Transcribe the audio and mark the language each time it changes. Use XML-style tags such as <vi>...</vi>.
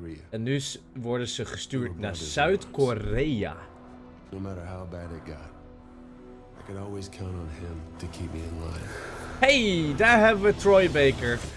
<nl>En nu worden ze gestuurd naar Zuid-Korea.</nl> <en>No matter how bad it got, I could always count on him to keep me in line.</en> <nl>Hey, daar hebben we Troy Baker.</nl>